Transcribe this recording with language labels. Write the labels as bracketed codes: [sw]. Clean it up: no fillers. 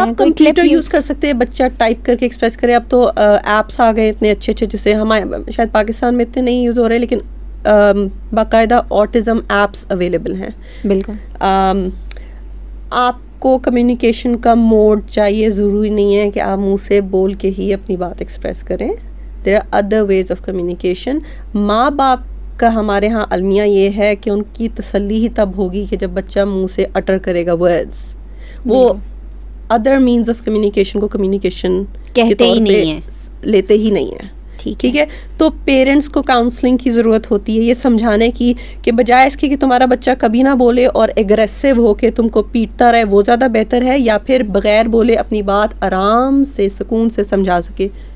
[ur] آپ computer use کر سکتے ہیں, بچہ ٹائپ کر کے ایکسپریس کرے. اب تو ایپس آ گئے اتنے اچھے اچھے, جسے ہمارے شاید پاکستان میں اتنے نہیں یوز ہو رہے, لیکن باقاعدہ آٹیزم ایپس اویلیبل ہیں. بالکل, آپ کو کمیونیکیشن کا موڈ چاہیے, ضروری نہیں ہے کہ آپ منہ سے بول کے ہی اپنی بات ایکسپریس کریں. [en] There are other ways of communication. [ur] ماں باپ کا ہمارے ہاں المیہ یہ ہے کہ ان کی تسلی ہی تب ہوگی کہ جب بچہ منہ سے اٹر کرے گا ورڈس. وہ [en] other means of communication [ur] کو کمیونیکیشن کہتے ہی نہیں ہے, لیتے ہی نہیں ہیں, ٹھیک ہے. تو پیرنٹس کو کاؤنسلنگ کی ضرورت ہوتی ہے یہ سمجھانے کی, کہ بجائے اس کے کہ تمہارا بچہ کبھی نہ بولے اور اگریسو ہو کے تم کو پیٹتا رہے, وہ زیادہ بہتر ہے, یا پھر بغیر بولے اپنی بات آرام سے سکون سے سمجھا سکے.